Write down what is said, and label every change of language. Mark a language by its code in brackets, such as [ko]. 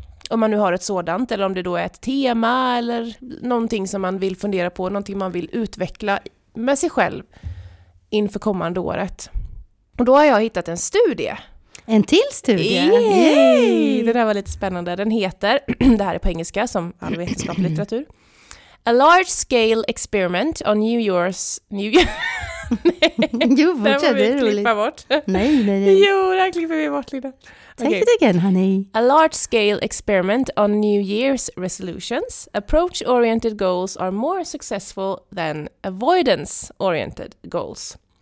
[sv] Om man nu har ett sådant, eller om det då är ett tema eller någonting som man vill fundera på. Någonting man vill utveckla med sig själv inför kommande året. Och då har jag hittat en studie. En till studie. Yay! Det där var lite spännande. Den heter, det här är på engelska som all vetenskaplig litteratur. [en] A large scale experiment on New Year's. [sv] Nej, jo, fortsätt, det är roligt. Bort. Nej. Jo, det här klipper vi bort lite. [en] Take it again, honey. A large scale experiment on New Year's resolutions. Approach-oriented goals are more successful than avoidance-oriented goals.